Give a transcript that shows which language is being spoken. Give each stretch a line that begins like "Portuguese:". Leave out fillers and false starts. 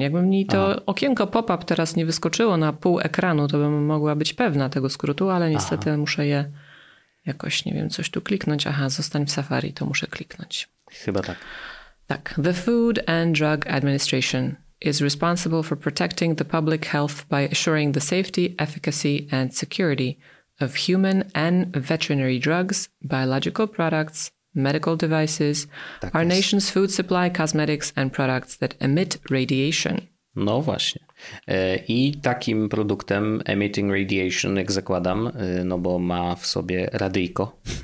Polish: Jakby mi to okienko pop-up teraz nie wyskoczyło na pół ekranu, to bym mogła być pewna tego skrótu, ale niestety muszę je... Jakoś, nie wiem, coś tu kliknąć. Aha, zostań w Safari, to muszę kliknąć. Chyba tak. Tak.
English: The Food and Drug Administration is responsible for protecting the public health by assuring the safety, efficacy and security of human and veterinary drugs, biological products, medical devices, our nation's food supply, cosmetics and products that emit radiation.
Polish: No właśnie. I takim produktem
English: emitting radiation,
Polish: jak zakładam, no bo ma w sobie radyjko.